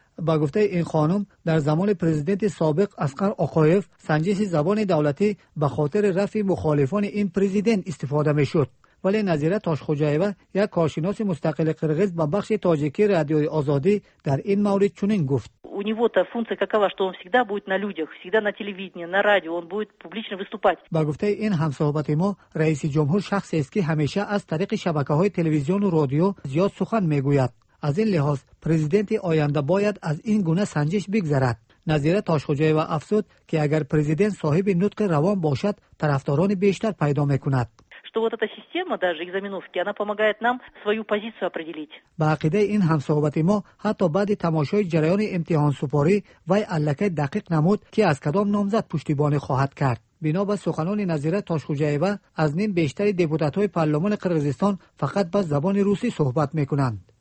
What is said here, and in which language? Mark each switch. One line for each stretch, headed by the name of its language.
Persian: با گفته این خانم، در زمان پرزیدنت سابق اسقر آقایف سنجش زبان دولتی به خاطر رفع مخالفان این پرزیدنت استفاده می شد. ولی نظیره تاشخوجایوا، یک کارشناس مستقل قرغیز با بخش تاجیکی رادیوی آزادی در این مورد چنین گفت.
Russian: У него та функция какова, что он всегда будет на людях, всегда на телевидении, на радио, он будет публично выступать.
Tajik: Ба гуфтаи ин ҳамсоҳбати мо, раис ҷумҳур шахс аст ки ҳамеша аз тариқи шабакаҳои телевизион ва радио зиёд сухан мегӯяд. Аз ин лиҳоз, президенти оянда бояд аз ин гуна санҷиш бигзарад. Назира Ташхуҷоева афзуд ки агар президент соҳиби нутқи равон бошад, тарафдорони бештар пайдо мекунад.
Russian: Что вот эта система даже экзаменовки, она помогает нам свою позицию определить.
Tajik: Ба ақидаи ин ҳамсоҳбати мо, ҳатто баъди тамошои ҷараёни имтиҳонсупорӣ вай аллакай дақиқ намуд ки аз кадом номзад пуштибонӣ хоҳад кард. Бино ба суханони назира Ташхуҷоева, аз ним бештари депутатҳои парламони Қирғизистон фақат ба забони русӣ суҳбат мекунанд.